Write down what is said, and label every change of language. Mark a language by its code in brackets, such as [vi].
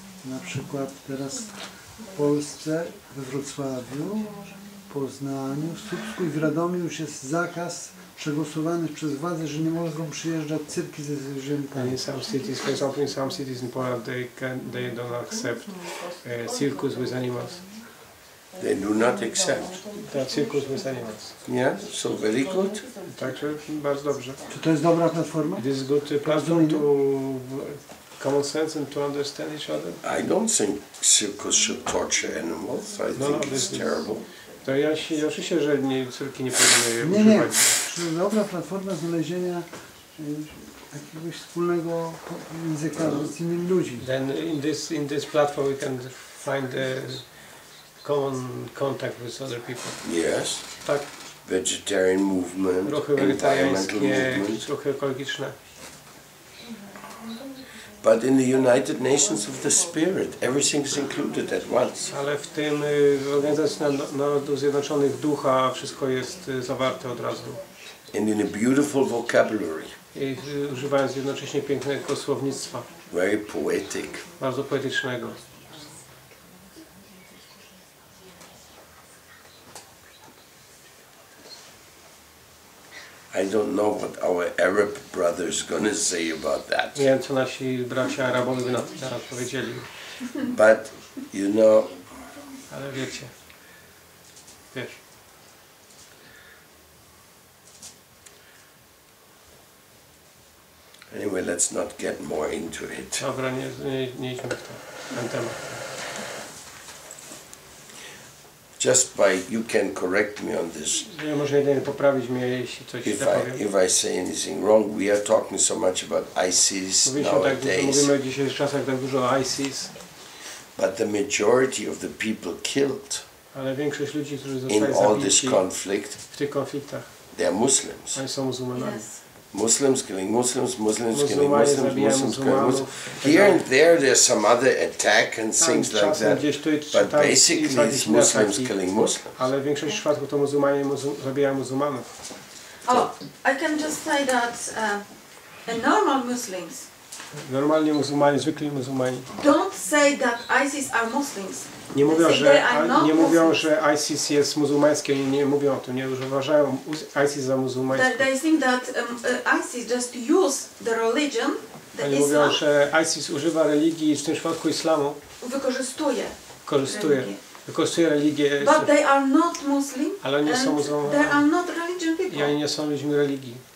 [pl] Na przykład teraz w Polsce, we Wrocławiu, Poznaniu, w Słupsku i w Radomiu już jest zakaz przegłosowanych przez władze, że nie mogą przyjeżdżać cyrki ze zwierzętami. [en] In some cities, for example, in some cities in Poland, they don't accept circus with animals. They do not accept. That circus with animals. Yeah, so very good. [pl] Także bardzo dobrze. Czy to jest dobra platforma? [en] This is good platform to common sense and to understand each other. I don't think circus should torture animals. I think it's terrible. [pl] To ja się oczywiście, że nie, cyrki nie powinny używać. Nie. Czy dobra platforma znalezienia jakiegoś wspólnego języka z innymi ludźmi. [en] Then in this platform we can find a common contact with other people. Yes. [pl] Tak. [en] Vegetarian movement. [pl] Ruchy wegetariańskie, ruchy ekologiczne. [en] But in the United Nations of the Spirit, everything is included at once. [pl] Ale w tym organizacji Narodów Zjednoczonych Ducha wszystko jest zawarte od razu. [en] And in a beautiful vocabulary. [pl] I używając jednocześnie pięknego słownictwa. [en] Very poetic. [pl] Bardzo poetycznego. [en] I don't know what our Arab brother is going to say about that. [pl] Nie wiem, co nasi bracia Arabowie by na to powiedzieli. [en] But you know. [pl] Ale wiecie. Wiesz. [en] Anyway, let's not get more into it. [pl] Dobra, nie idźmy w to. Ten temat. [en] Just by you can correct me on this. [pl] Może jedynie poprawić mnie, jeśli coś zapowiem. [en] If I say anything wrong, we are talking so much about ISIS nowadays. [pl] Mówimy dzisiaj w czasach tak dużo o ISIS. [en] But the majority of the people killed. [pl] Ale większość ludzi, którzy zostali zabici. [en] In all this conflict. [pl] W tych konfliktach. [en] They are Muslims. [pl] Oni są muzułmanami. Yes. [en] Muslims killing Muslims, Muslims killing Muslims, Muslims killing Muslims. Here and there, there's some other attack and things like that. But basically, it's Muslims killing Muslims. [pl] Ale w większości przypadków to muzułmanie zabijają muzułmanów. [en] Oh, I can just say that normal Muslims. [pl] Normalni muzułmanie, zwykli muzułmanie. [en] Don't say that ISIS are Muslims. [pl] Nie mówią, że ISIS jest muzułmańskie, nie mówią o tym, nie uważają ISIS za muzułmańskie. [en] They think that ISIS just use the religion, the Islam. [pl] Mówią, że ISIS używa religii, w tym przypadku islamu. Wykorzystuje. Wykorzystuje religię. [en] But they are not Muslim. [pl] Ale nie są muzułmanami. [en] They are not religion people. [pl] I oni nie są ludźmi religii.